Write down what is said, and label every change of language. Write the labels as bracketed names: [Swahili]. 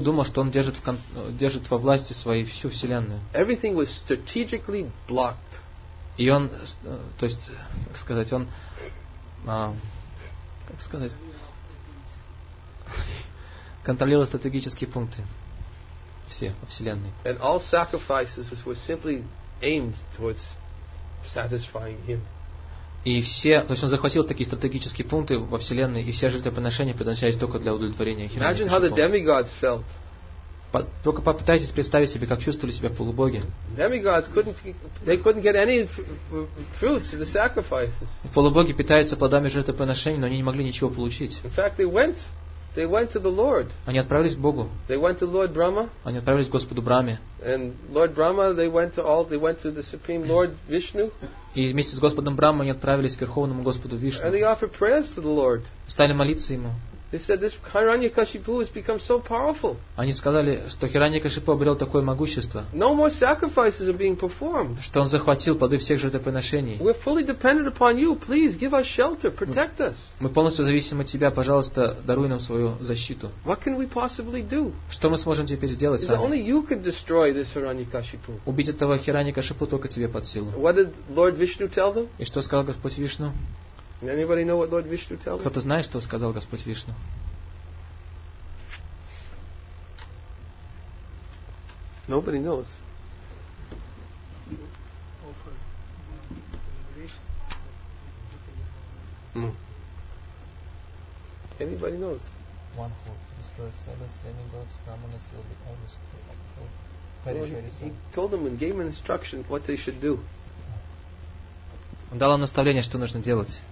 [Russian] думал, что он держит во власти своей всю вселенную. [English] Everything was strategically blocked. [Russian] И он, то есть, как сказать, он, как сказать, контролировал стратегические пункты все во вселенной. [English] And all sacrifices were simply aimed towards satisfying him. [Russian] И все, то есть он захватил такие стратегические пункты во вселенной, и все жертвоприношения предназначались только для удовлетворения Хиранья-Кашипу. [English] Imagine how the demigods felt. [Russian] Только попытайтесь представить себе, как чувствовали себя полубоги. [English] Demigods couldn't get any fruits of the sacrifices. [Russian] Полубоги питаются плодами жертвоприношений, но они не могли ничего получить. [English] In fact, they went to the Lord. [Russian] Они отправились к Богу. [English] They went to Lord Brahma. [Russian] Они отправились к Господу Брахме. [English] And Lord Brahma, they went to the Supreme Lord Vishnu. [Russian] И вместе с Господом Брахмой они отправились к Верховному Господу Вишну. [English] And they offered prayers to the Lord. [Russian] Стали молиться ему. [English] They said this Hiranyakashipu has become so powerful. [Russian] Они сказали, что Хиранья-Кашипу обрел такое могущество. [English] No more sacrifices are being performed. [Russian] Что он захватил плоды всех жертвоприношений. [English] We're fully dependent upon you. Please give us shelter, protect us. [Russian] Мы полностью зависим от тебя, пожалуйста, даруй нам свою защиту. [English] What can we possibly do? [Russian] Что мы сможем теперь сделать сами? [English] Only you can destroy this Hiranyakashipu. [Russian] Убить этого Хиранья-Кашипу только тебе под силу. [English] What did Lord Vishnu tell them? [Russian] И что сказал Господь Вишну? [English] Anybody know what Lord Vishnu tells? [Russian] Кто-то знает, что сказал Господь Вишну? [English] Nobody knows. Anybody knows? One who destroys fellows, demigods, brahmanas will be always killed. He told them and gave them instruction what they should do. [Russian] Он дал им наставление, что нужно делать.